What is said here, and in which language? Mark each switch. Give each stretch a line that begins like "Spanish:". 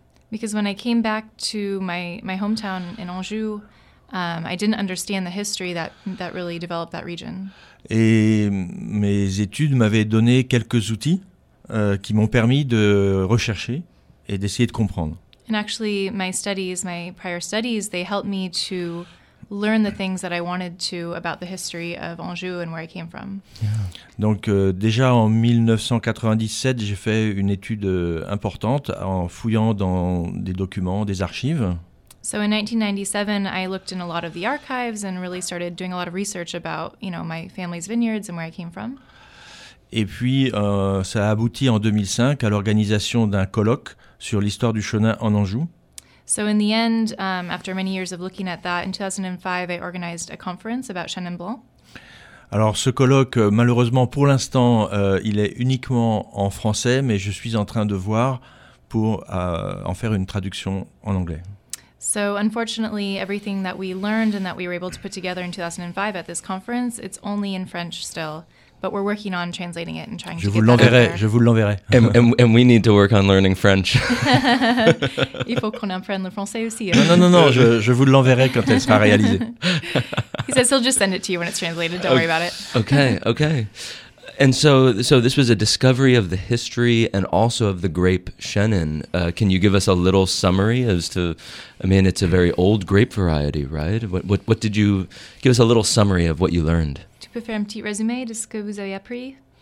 English: Because when I came back to my hometown in Anjou, I didn't understand the history that really developed that region.
French: Et mes études m'avaient donné quelques outils qui m'ont permis de rechercher et d'essayer de comprendre.
English: And actually, my studies, my prior studies, they helped me to learn the things that I wanted to about the history of Anjou and where I came from. Yeah.
French: Donc déjà en 1997, j'ai fait une étude importante en fouillant dans des documents, des archives.
English: So in 1997, I looked in a lot of the archives and really started doing a lot of research about, you know, my family's vineyards and where I came from.
French: Et puis ça a abouti en 2005 à l'organisation d'un colloque sur l'histoire du Chenin en Anjou.
English: So in the end, after many years of looking at that, in 2005, I organized a conference about Chenin Blanc.
French: Alors ce colloque, malheureusement pour l'instant, il est uniquement en français, mais je suis en train de voir pour en faire une traduction en anglais.
English: So unfortunately, everything that we learned and that we were able to put together in 2005 at this conference, it's only in French still. But we're working on translating it and trying
French: je
English: to get better.
French: Je vous l'enverrai.
English: And we need to work on learning French.
French: Il faut qu'on apprenne le français aussi. Non, non, non, non, je vous l'enverrai quand elle sera réalisée.
English: He says he'll just send it to you when it's translated. Don't worry about it. Okay, okay. And so this was a discovery of the history and also of the grape Chenin. Can you give us a little summary as to, I mean, it's a very old grape variety, right? What did you, give us a little summary of what you learned.
French: peux faire un petit résumé de ce que vous avez appris?